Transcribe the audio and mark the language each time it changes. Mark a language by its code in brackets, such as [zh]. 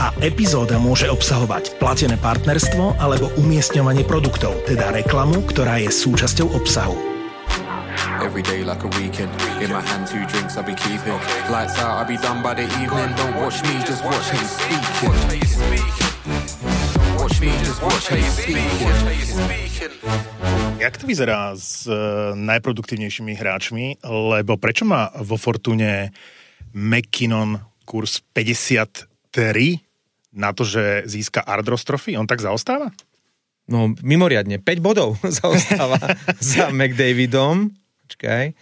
[sk] A epizóda môže obsahovať platené partnerstvo alebo umiestňovanie produktov, teda reklamu, ktorá je súčasťou obsahu. [en] Every day like a weekend, in my hand two drinks I'll be keeping. Lights out, I'll be done by the evening. Don't watch me, just watch how you speak. Watch how you speak. Watch me, just watch how you speak. Watch how you speak. [sk] Jak to vyzerá s najproduktívnejšími hráčmi? Lebo prečo má vo Fortune McKinnon kurz 53 na to, že získa Ardros trofy? On tak zaostáva? No, mimoriadne. 5 bodov zaostáva za McDavidom. Počkaj.